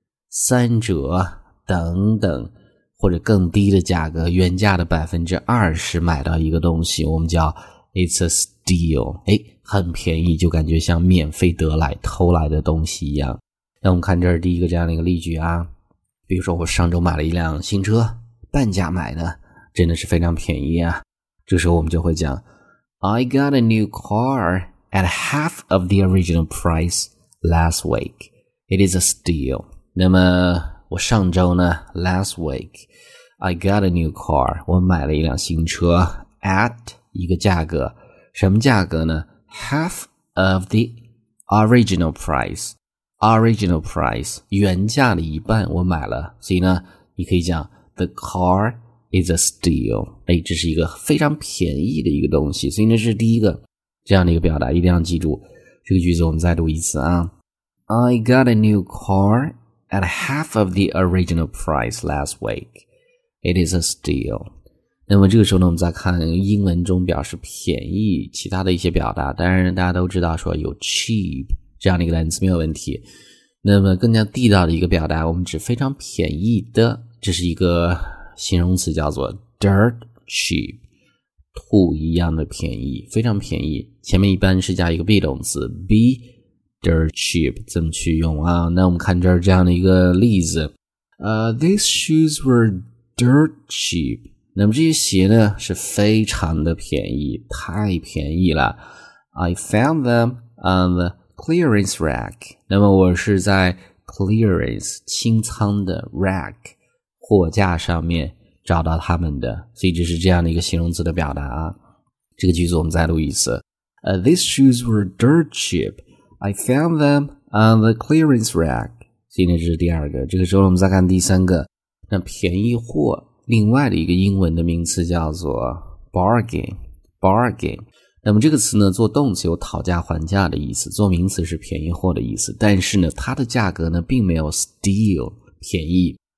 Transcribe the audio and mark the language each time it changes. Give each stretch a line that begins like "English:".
Chinese: 三折等等，或者更低的价格，原价的 20% 买到一个东西，我们叫
English: It's a steal，
Chinese: 诶，很便宜，就感觉像免费得来、偷来的东西一样。那我们看这是第一个这样的一个例句啊，比如说我上周买了一辆新车，半价买的，真的是非常便宜啊。这时候我们就会讲
English: I got a new car at half of the original price last week. It is a steal.
Chinese: 那么我上周呢
English: last week, I got a new car.
Chinese: 我买了一辆新车 at 一个价格。什么价格呢
English: ?half of the original price. Original price.
Chinese: 原价的一半我买了。所以呢你可以讲
English: The car is a steal.
Chinese: 哎，这是一个非常便宜的一个东西，所以这是第一个这样的一个表达，一定要记住这个句子。我们再读一次啊。
English: I got a new car at half of the original price last week. It is a steal.
Chinese: 那么这个时候呢，我们再看英文中表示便宜其他的一些表达。当然大家都知道说有 cheap 这样的一个单词没有问题。那么更加地道的一个表达，我们指非常便宜的，这是一个形容词，叫做 dirt cheap， 土一样的便宜，非常便宜。前面一般是加一个 be 动词 be dirt cheap， 怎么去用啊？那我们看这儿这样的一个例子，
English: these shoes were dirt cheap。
Chinese: 那么这些鞋呢是非常的便宜，太便宜了。
English: I found them on the clearance rack。
Chinese: 那么我是在 clearance 清仓的 rack。货架上面找到他们的，所以这是这样的一个形容词的表达啊。这个句子我们再录一次。
English: These shoes were dirt cheap. I found them on the clearance rack.
Chinese: 所以这是第二个。这个时候我们再看第三个。那便宜货另外的一个英文的名词叫做 bargain。 bargain。那么这个词呢做动词有讨价还价的意思，做名词是便宜货的意思。但是呢它的价格呢并没有 steal 便宜。